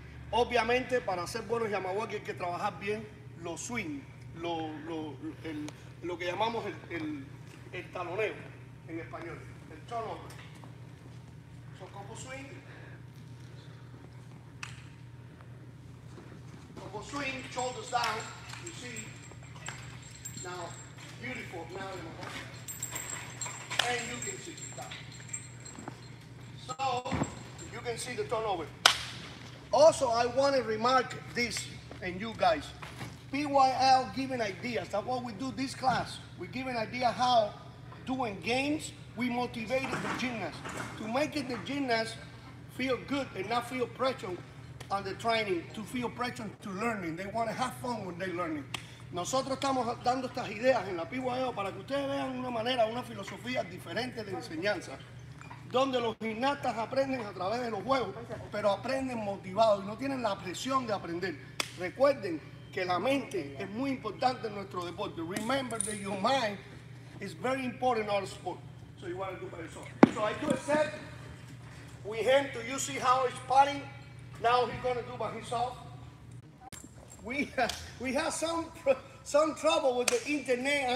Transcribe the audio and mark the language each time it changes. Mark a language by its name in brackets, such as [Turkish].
[Spanish] Obviamente, para hacer buenos Yamawaki hay que trabajar bien los swing, lo que llamamos el taloneo en español, el turnover. [English] So, couple swing, shoulders down, you see. Now, beautiful, now and you can see that. So, you can see the turnover. Also, I want to remark this, and you guys, PYL giving ideas, that's what we do this class. We give an idea how doing games, we motivated the gymnast. To make it the gymnast feel good and not feel pressure on the training, to feel pressure to learning. They want to have fun when they're learning. [Spanish] Nosotros estamos dando estas ideas en la PYL para que ustedes vean una manera, una filosofía diferente de enseñanza, donde los gimnastas aprenden a través de los juegos, pero aprenden motivados y no tienen la presión de aprender. Recuerden que la mente es muy importante en nuestro deporte. [English] Remember that your mind is very important in our sport. So you want to do by yourself. So I do a set. We hand to you see how he's parting. Now he's going to do by himself. We have some trouble with the internet.